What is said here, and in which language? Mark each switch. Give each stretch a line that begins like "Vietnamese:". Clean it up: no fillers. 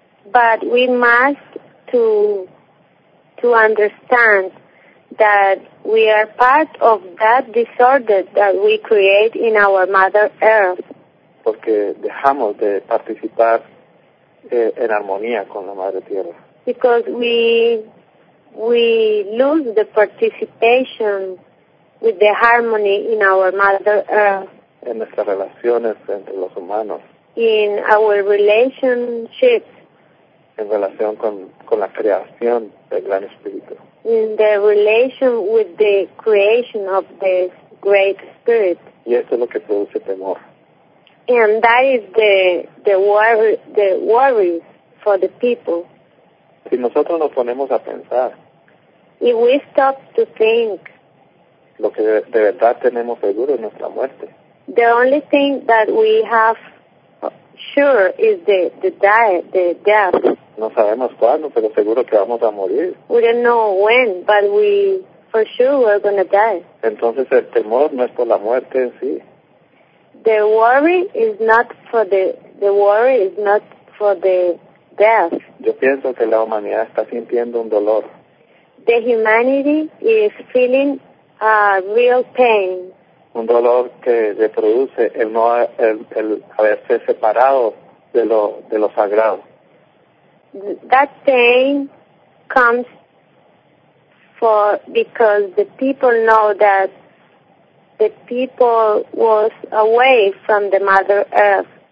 English: But we must to understand that we are part of that disorder that we create in our Mother Earth.
Spanish: Porque dejamos de participar en armonía con la Madre Tierra.
English: Because we lose the participation with the harmony in our Mother Earth.
Spanish: En nuestras relaciones entre los humanos.
English: In our relationships.
Spanish: En relación con la creación del Gran Espíritu.
English: In the relation with the creation of the Great Spirit.
Spanish: Y esto es lo que produce temor.
English: And that is the worry for the people.
Spanish: Si nosotros nos ponemos a pensar.
English: If we stop to think.
Spanish: Lo que de verdad tenemos seguro es nuestra muerte.
English: The only thing that we have sure is the death.
Spanish: No sabemos cuándo, pero seguro que vamos a morir.
English: We don't know when, but we for sure we're going to die.
Spanish: Entonces el temor no es por la muerte en sí.
English: the worry is not for the worry is not for the death.
Spanish: Yo pienso que la humanidad está sintiendo un dolor.
English: The humanity is feeling a real pain.
Spanish: Un dolor que le produce el haberse separado de lo sagrado.
English: That pain comes because the people know that the people was away from the Mother Earth.